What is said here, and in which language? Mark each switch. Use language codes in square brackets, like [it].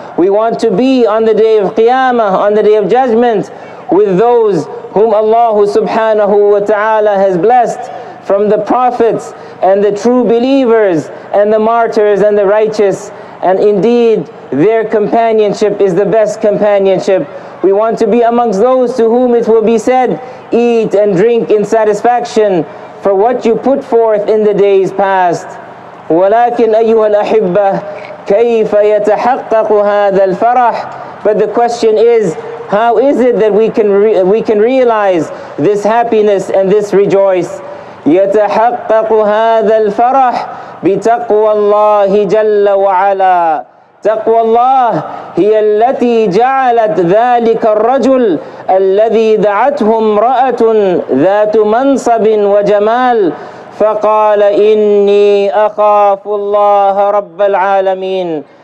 [en] We want to be on the day of Qiyamah, on the day of judgment, with those whom Allah subhanahu wa ta'ala has blessed, from the prophets and the true believers and the martyrs and the righteous. And indeed, their companionship is the best companionship. We want to be amongst those to whom it will be said, eat and drink in satisfaction for what you put forth in the days past. [ar] ولكن أيها الأحبة كيف يتحقق هذا الفرح. [en] But the question is, how is it that we can realize this happiness and this rejoice? [ar] يتحقق هذا الفرح بتقوى الله جل وعلا. تقوى الله هي التي جعلت ذلك الرجل الذي دعته امرأة ذات منصب وجمال فقال إني أخاف الله رب العالمين.